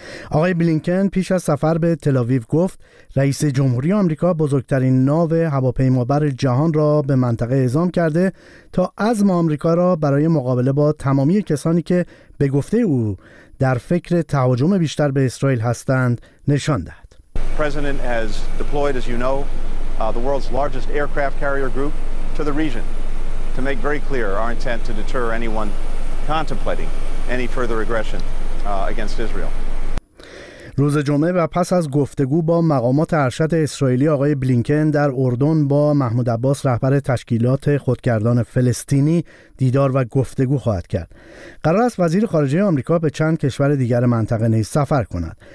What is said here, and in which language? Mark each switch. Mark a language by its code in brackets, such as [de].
[fa] آقای بلینکن پیش از سفر به تل‌آویو گفت رئیس جمهوری آمریکا بزرگترین ناو هواپیمابر جهان را به منطقه اعزام کرده تا عزم آمریکا را برای مقابله با تمامی کسانی که به گفته او در فکر تهاجم بیشتر به اسرائیل هستند نشان دهد. [en] President has deployed, as you know, the world's largest aircraft carrier group to the region to make very clear our intent to deter anyone contemplating any further aggression against Israel. [fa] روز جمعه و پس از گفتگو با مقامات ارشد اسرائیلی، آقای بلینکن در اردن با محمود عباس رهبر تشکیلات خودگردان فلسطینی دیدار و گفتگو خواهد کرد. قرار است وزیر خارجه آمریکا به چند کشور دیگر منطقه نیز سفر کند.